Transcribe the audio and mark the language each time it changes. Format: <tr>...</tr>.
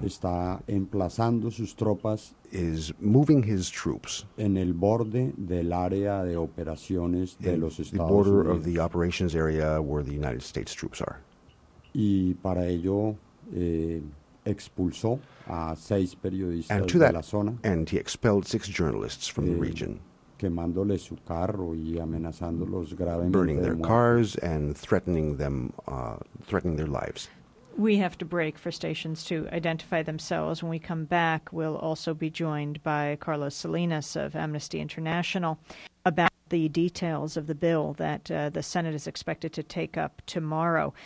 <es>está emplazando sus tropas,</es> <en>is moving his troops</en> <es>en el borde del área de operaciones de los Estados Unidos,</es> <en>the border of the operations area where the United States troops are.</en> <es>Y para ello expulsó a seis periodistas de</es> <en>that,</en> <es>la zona.</es> <en>And he expelled six journalists from the region.</en> <es>Quemándoles su carro y amenazándolos gravemente.</es> <en>Burning their</en> <es>muerte.</es> <en>Cars and threatening them, threatening their lives. We have to break for stations to identify themselves. When we come back, we'll also be joined by Carlos Salinas of Amnesty International about the details of the bill that the Senate is expected to take up tomorrow.</en>